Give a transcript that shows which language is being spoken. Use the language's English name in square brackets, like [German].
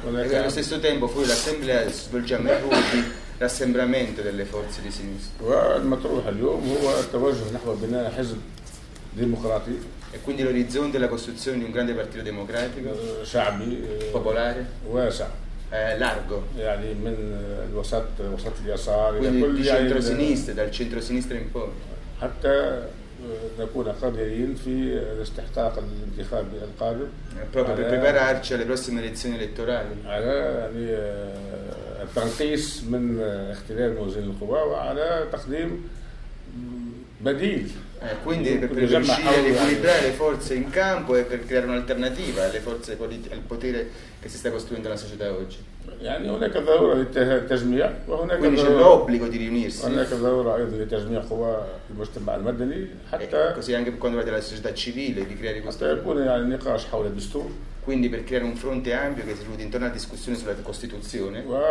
[Italian] E allo stesso tempo fuori l'assemblea svolgiamo il ruolo di rassembramento delle forze di sinistra. [Arabic] والمطروح اليوم هو التوجه نحو بناء حزب ديمقراطي. [Italian] E quindi l'orizzonte della costruzione di un grande partito democratico [Arabic] شعبي, [Italian] popolare [Arabic] واسع, [Italian] largo [Arabic] يعني من الوسط وسط اليسار [Italian] quindi di centro-sinistra dal centro-sinistra in poi [Arabic] حتى نكون قادرين في الاستحقاق الانتخابي القادم [Italian] proprio per prepararci alle prossime elezioni elettorali [Arabic] على يعني التنقيص من اختلال موازين القوى وعلى تقديم بديل [Italian] quindi per riuscire a riequilibrare le forze in campo e per creare un'alternativa alle forze politiche al potere che si sta costruendo la società oggi quindi c'è l'obbligo di riunirsi così anche quando parte la società civile di creare questo quindi per creare un fronte ampio che si ruota intorno alla discussione sulla Costituzione